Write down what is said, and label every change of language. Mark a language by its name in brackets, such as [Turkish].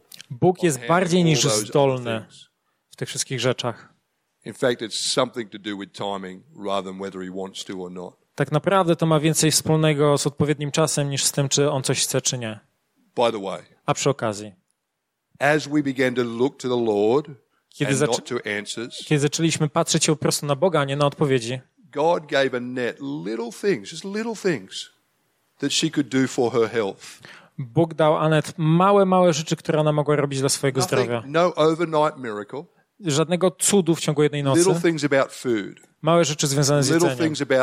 [Polish] Bóg jest bardziej niż zdolny w tych wszystkich rzeczach. [English] In fact, it's something to do with timing rather than whether he wants to or not. [Polish] Tak naprawdę to ma więcej wspólnego z odpowiednim czasem niż z tym, czy on coś chce, czy nie. [English] By the way, [Polish] a przy okazji, [English] as we began to look to the Lord and not to answers, [Polish] kiedy zaczęliśmy patrzeć się po prostu na Boga, a nie na odpowiedzi, [English] God gave Annette little things, just little things that she could do for her health. [Polish] Bóg dał Annette małe rzeczy, które ona mogła robić dla swojego zdrowia. [English] No overnight miracle. [Polish] Żadnego cudu w ciągu jednej nocy. Małe rzeczy związane z jedzeniem.